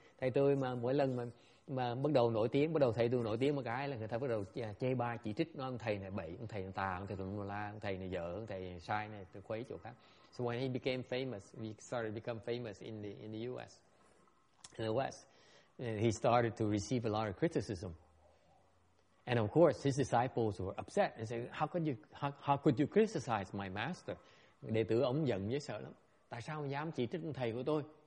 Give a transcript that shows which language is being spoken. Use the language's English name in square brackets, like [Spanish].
[Vietnamese] Thầy tôi mà mỗi lần mà bắt đầu nổi tiếng, bắt đầu thầy tôi nổi tiếng một cái là người ta bắt đầu chê bai, chỉ trích, nói ông thầy này bậy, ông thầy này tà, ông thầy tùm la, ông thầy này dở, ông thầy này sai này, tôi khuấy chỗ khác. [English] So when he became famous, become famous in the US, in the West, he started to receive a lot of criticism. And of course, his disciples were upset and said, "How could you criticize my master?" [Vietnamese] Đệ tử ông giận với sợ lắm. Tại sao ông dám chỉ trích ông thầy của tôi?